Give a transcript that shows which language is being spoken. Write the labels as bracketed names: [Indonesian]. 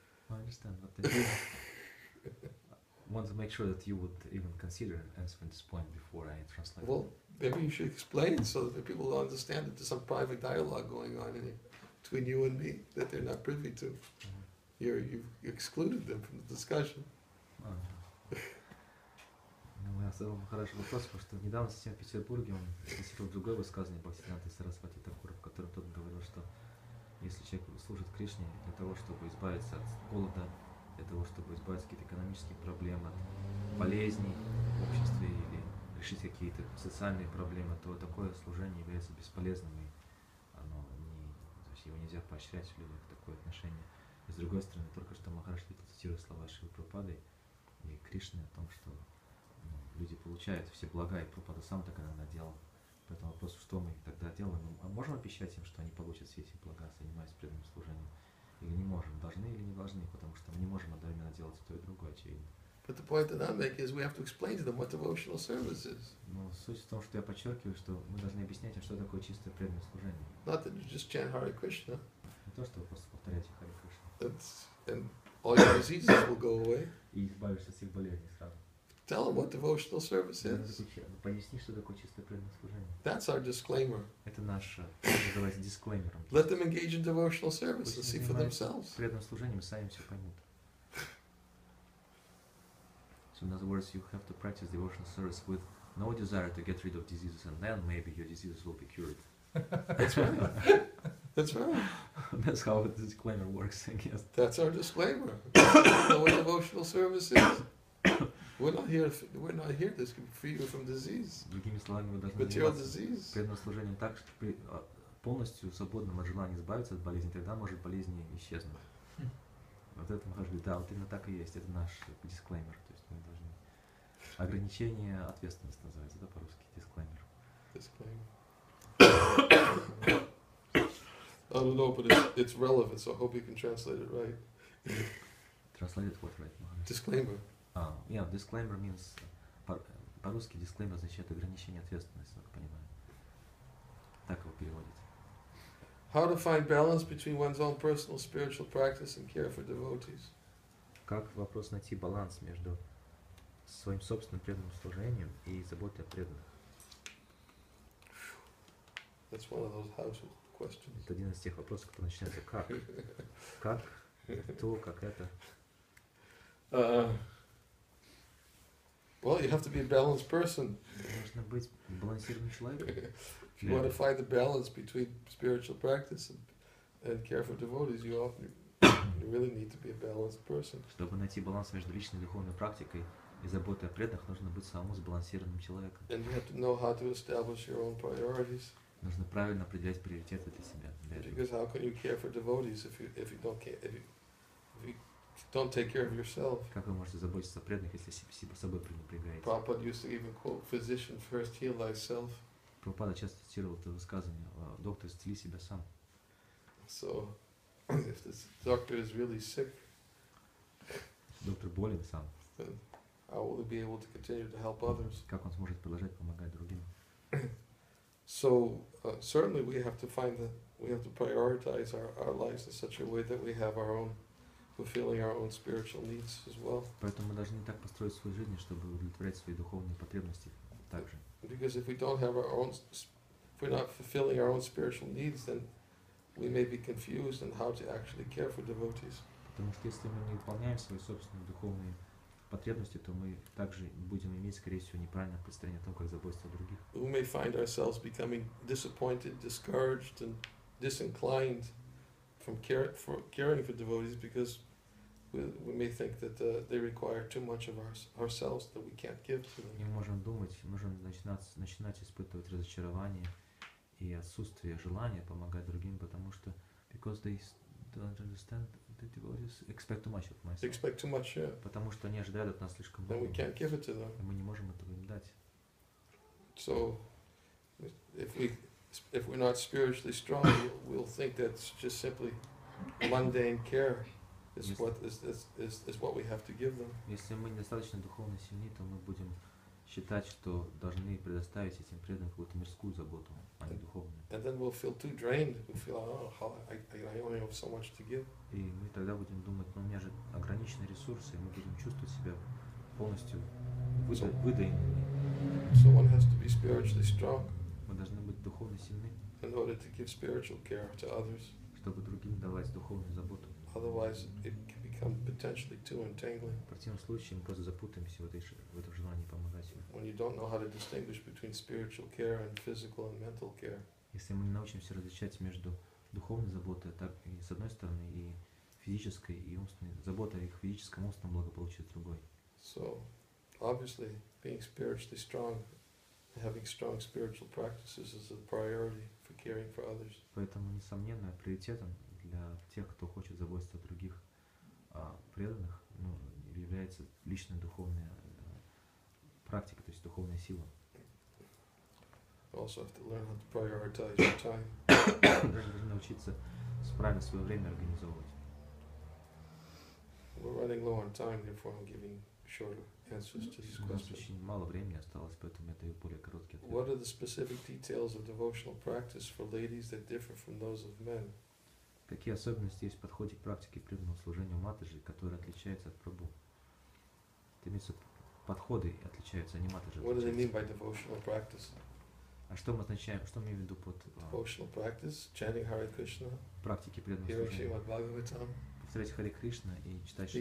[English] I understand, but I want to make sure that you would even consider answering this point before I translate. Well, maybe you should explain so that people will understand that there's some private dialogue going on in here between you and me that they're not privy to. Mm-hmm. You've excluded them from the discussion. [Russian] Ну, я задал хороший вопрос, потому что недавно совсем в Петербурге он цитировал другое высказывание Бхактисиддханты Сарасвати Такура, в котором тот говорил, что если человек служит Кришне для того, чтобы избавиться от голода, для того, чтобы избавиться от каких-то экономических проблем, от болезней в обществе или решить какие-то социальные проблемы, то такое служение является бесполезным, и оно не, то есть его нельзя поощрять в людях, такое отношение. И с другой стороны, только что Махараш цитирует слова Шри Прабхупады и Кришны о том, что люди получают все блага, и Прабхупада сам так иногда делал. Поэтому вопрос, что мы тогда делаем? Мы можем обещать им, что они получат все эти блага, занимаясь преданным служением? Или не можем? Должны или не должны? Потому что мы не можем одновременно делать то и другое, очевидно. [English] But the point that I'm making is we have to explain to them what devotional service is. [Russian] Но суть в том, что я подчеркиваю, что мы должны объяснять им, что такое чистое преданное служение. [English] Not that you just chant Hare Krishna. [Russian] Не то, что вы просто повторяете Hare Krishna. [English] And all your diseases will go away. [Russian] И избавишься от всех болезней сразу. [English] Tell them what devotional service is. [Russian] Поясни, что такое чистое преданное служение. [English] That's our disclaimer. [Russian] Это наше, называется дисклеймером. [English] Let them engage in devotional service and see for themselves. [Russian] Преданным служением сами все поймут. [English] So in other words, you have to practice devotional service with no desire to get rid of diseases, and then maybe your diseases will be cured. That's right. That's how the disclaimer works, I guess. That's our disclaimer. Know what devotional service is. We're not here to free you from disease. [Russian] Другими словами, мы должны заниматься преданным служением так, что при полностью свободном от желания избавиться от болезни, тогда может болезнь исчезнуть. Вот это может быть, да, вот именно так и есть. Это наш дисклеймер. То есть мы должны. Ограничение ответственности называется, да, по-русски, дисклеймер. [English] Дисклеймер. I don't know, but it's relevant, so I hope you can translate it right. Translate it what right, Mahan? Disclaimer. Yeah, disclaimer means, [Russian] по-русски disclaimer означает ограничение ответственности, как понимаю. Так его переводят. [English] How to find balance between one's own personal spiritual practice and care for devotees? [Russian] Как вопрос найти баланс между своим собственным преданным служением и заботой о преданных? [English] That's one of those household questions. [Russian] Это один из тех вопросов, который начинается как? Как? То, как это? [English] Well, you have to be a balanced person. [Russian] Нужно быть балансированным человеком. [English] If you want to find the balance between spiritual practice and care for devotees, you really need to be a balanced person. [Russian] Чтобы найти баланс между личной духовной практикой и заботой о преданных, нужно быть самому сбалансированным человеком. [English] And you have to know how to establish your own priorities. [Russian] Нужно правильно определять приоритеты для себя. [English] Because how can you care for devotees if you don't take care of yourself. [Russian] Как вы можете заботиться о преданных, если собой пренебрегаете? [English] Prabhupada used to even quote, physician first heal thyself. [Russian] Прабхупада часто цитировал это высказывание: доктор, исцели себя сам. [English] So, if the doctor is really sick, [Russian] доктор болен сам, [English] then how will he be able to continue to help others? [Russian] Как он сможет продолжать помогать другим? [English] So, certainly we have to prioritize our lives in such a way that we have our own fulfilling our own spiritual needs as well. [Russian] Поэтому мы должны так построить свою жизнь, чтобы удовлетворять свои духовные потребности также. [English] Because if we don't have our own, if we're not fulfilling our own spiritual needs, then we may be confused on how to actually care for devotees. [Russian] Потому что если мы не выполняем свои собственные духовные потребности, то мы также будем иметь, скорее всего, неправильное представление о том, как заботиться о других. [English] We may find ourselves becoming disappointed, discouraged, and disinclined from caring for devotees, because we may think that they require too much of ourselves that we can't give to them. [Russian] Мы можем думать, можем начинать испытывать разочарование и отсутствие желания помогать другим, потому что [English] because they to understand the devotees expect too much of myself. Expect too much, yeah. [Russian] Потому что они ожидают от нас слишком много. [English] Then we can't give it to them. [Russian] И мы не можем этого им дать. [English] So, if we're not spiritually strong, we'll think that's just simply mundane care. Is what we have to give them. [Russian] Если мы недостаточно духовно сильны, то мы будем считать, что должны предоставить этим преданным какую-то мирскую заботу, а не духовную. [English] And then we'll feel too drained. We'll feel, oh, I only have so much to give. [Russian] И мы тогда будем думать, ну у меня же ограниченные ресурсы, и мы будем чувствовать себя полностью выдаенными. [English] So one has to be spiritually strong. [Russian] Мы должны быть духовно сильны. [English] In order to give spiritual care to others. [Russian] Чтобы другим давать духовную заботу. [English] Otherwise, it can become potentially too entangling. [Russian] В противном случае мы просто запутаемся в этом желании помогать им. [English] When you don't know how to distinguish between spiritual care and physical and mental care. [Russian] Если мы не научимся различать между духовной заботой, так и с одной стороны, и физической и умственной заботой, и к физическому умственному благополучию с другой. [English] So, obviously, being spiritually strong, having strong spiritual practices is a priority for caring for others. [Russian] Поэтому несомненно приоритетом для тех, кто хочет заботиться о других преданных, ну, является личная духовная практика, то есть духовная сила. [English] Also have to learn how to prioritize your time. [Russian] Даже нужно научиться правильно свое время организовывать. [English] We're running low on time, therefore I'm giving shorter answers to these questions. [Russian] У нас очень мало времени осталось, поэтому я даю более короткий ответ. [English] What are the specific details of devotional practice for ladies that differ from those of men? [Russian] Какие особенности есть в подходе к практике преданного служения матаджи, которые отличаются от прабу? Это имеется в виду, подходы отличаются, а не матаджи. [English] What do they mean by devotional practice? [Russian] А что мы означаем? Что мы имеем в виду под [English] devotional practice, chanting Hare Krishna, [Russian] практики преданного служения, повторять Харе Кришна и читать